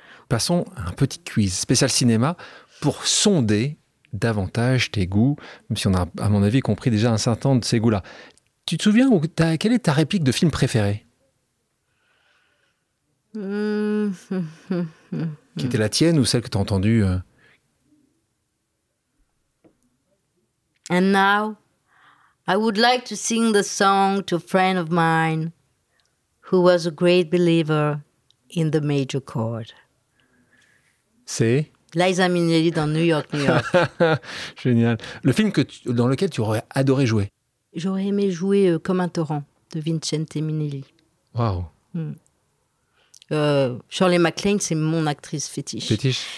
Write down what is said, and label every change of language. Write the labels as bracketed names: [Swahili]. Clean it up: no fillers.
[French] Passons à un petit quiz spécial cinéma pour sonder davantage tes goûts, même si on a, à mon avis, compris déjà un certain nombre de ces goûts-là. Tu te souviens, quelle est ta réplique de film préférée? Qui était la tienne ou celle que tu as entendue? [English] And now, I would like to sing the song to a friend of mine who was a great believer in the major chord. [French] C'est Liza Minnelli dans New York, New York. Génial. Le film que dans lequel tu aurais adoré jouer? J'aurais aimé jouer Comme un torrent de Vincente Minnelli. Waouh. Shirley MacLaine, c'est mon actrice fétiche. Fétiche.